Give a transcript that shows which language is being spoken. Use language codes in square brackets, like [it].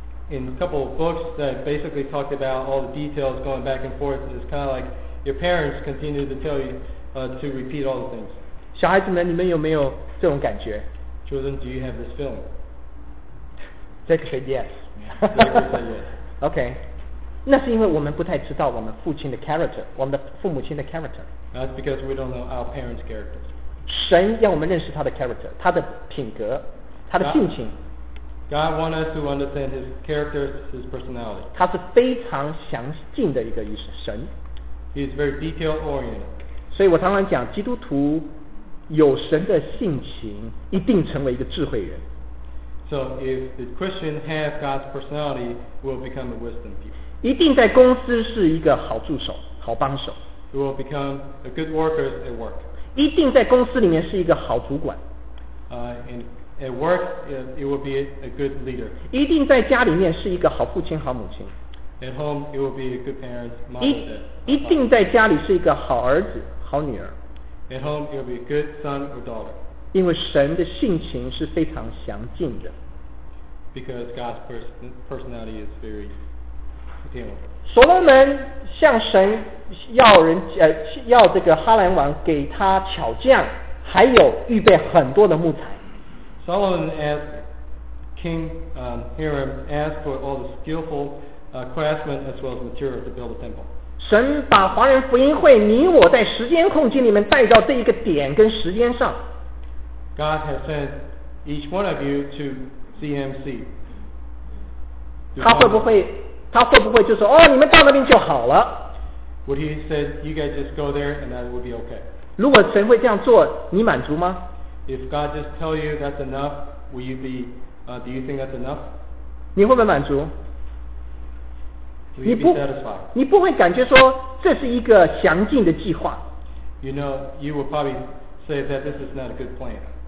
[en] in a couple of books that basically talked about all the details going back and forth it's kind of like your parents continue to tell you to repeat all the things [zh] 小孩子们，你们有没有这种感觉 [en] ？Children, do you have this feeling? Jake said yes. Jake said yes. [zh] Okay, 那是因为我们不太知道我们父亲的 character， 我们的父母亲的 character. [en] That's because we don't know our parents' characters. [zh] 神要我们认识他的 character， 他的品格，他的性情。 [en] God wants us to understand his character, his personality. [zh] 他是非常详尽的一个神。 [en] He is very detail oriented. [zh] 所以我常常讲，基督徒。有神的性情一定成为一个智慧人 [en] So if the Christian has God's personality will become a wisdom people [zh] 一定在公司是一个好助手好帮手 [en] He will become a good worker at work [zh] 一定在公司里面是一个好主管 [en] And at work it will be a good leader [zh] 一定在家里面是一个好父亲好母亲 [en] At home it will be a good parent mom, [zh] 一定在家里是一个好儿子好女儿 [en] At home, you'll be a good son or daughter. [zh] 因为神的性情是非常详尽的。 [en] Because God's personality is very detailed. [zh] 所罗门向神要人要这个哈兰王给他巧匠，还有预备很多的木材。 [en] Solomon asked King Hiram asked for all the skillful craftsmen as well as material to build the temple. [zh] 神把华人福音会你我在时间空间里面带到这一个点跟时间上 [en] God has sent each one of you to CMC [zh] 他会不会就说哦你们到那边就好了 [en] Would he say you guys just go there and that would be okay [zh] 如果神会这样做你满足吗 [en] If God just tell you that's enough will you be do you think that's enough [zh] 你会不会满足你不会感觉说这是一个详尽的计划 [en] You know, you will probably say that this is not a good plan